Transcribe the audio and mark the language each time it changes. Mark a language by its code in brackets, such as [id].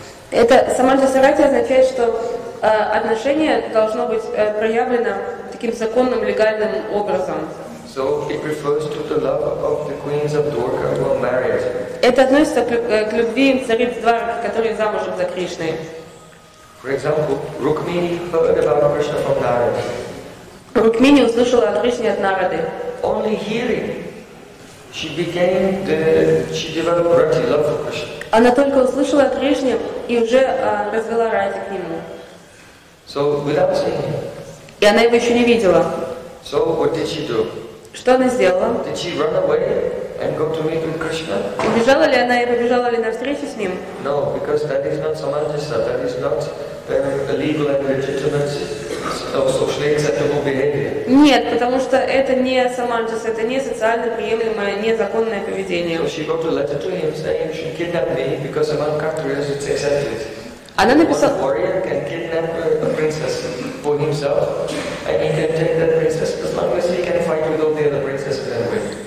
[ru] Это Саманта Сарати означает, что отношение должно быть проявлено таким законным, легальным образом. [en] So it refers to the love of the queens of Dwarka who are married. [ru] Это относится к любви цариц Дварки, которые замужем за Кришной. [en] For example, Rukmini heard about Krishna from Narada. [ru] Rukmini услышала о Кришне от Нарады. [en] Only hearing, she became she developed rati, love for Krishna. [ru] Она только услышала о Кришне и уже развела рати к нему. [en] So, without seeing him. [ru] И она его еще не видела. [en] So, what did she do? [ru] Что она сделала? [en] Did she run away and go to meet with Krishna? [ru] Убежала ли она и побежала ли на встречу с ним? [en] No, because that is not samanjasa, that is not a legal and legitimate or socially acceptable behavior. [ru] Нет, потому что это не самаджаса, это не социально приемлемое, незаконное поведение. [en] So she wrote a letter to him saying she kidnapped me because among Kshatriyas it's accepted. [ru] Она написала... [en] One warrior can kidnap a princess for himself and he can take that princess as long as he can fight with all the other princesses and win.